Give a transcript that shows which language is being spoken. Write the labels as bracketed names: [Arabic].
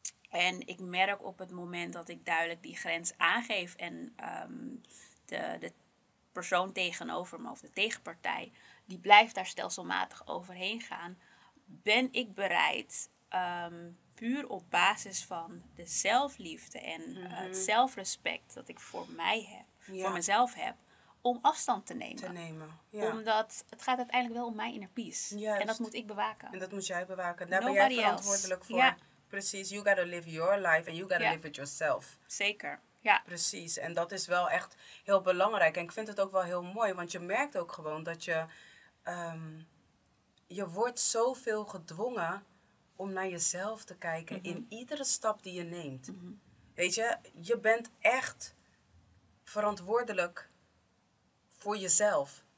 [Dutch] En ik merk op het moment dat ik duidelijk die grens aangeef en de persoon tegenover me of de tegenpartij, die blijft daar stelselmatig overheen gaan, ben ik bereid, puur op basis van de zelfliefde en het zelfrespect dat ik voor mij heb, voor mezelf heb, om afstand te nemen. Omdat het gaat uiteindelijk wel om mijn inner peace. Juist. En dat moet ik bewaken. En dat moet jij bewaken. Daar [English] Nobody [Dutch] ben jij verantwoordelijk [English] else. [Dutch] Voor. Ja. Precies, [English] you gotta live your life and you gotta live it yourself. [Dutch] Zeker. Ja. Precies, en dat is wel echt heel belangrijk. En ik vind het ook wel heel mooi, want je merkt ook gewoon dat je... je wordt zoveel gedwongen om naar jezelf te kijken in iedere stap die je neemt. Mm-hmm. Weet je, je bent echt verantwoordelijk voor jezelf.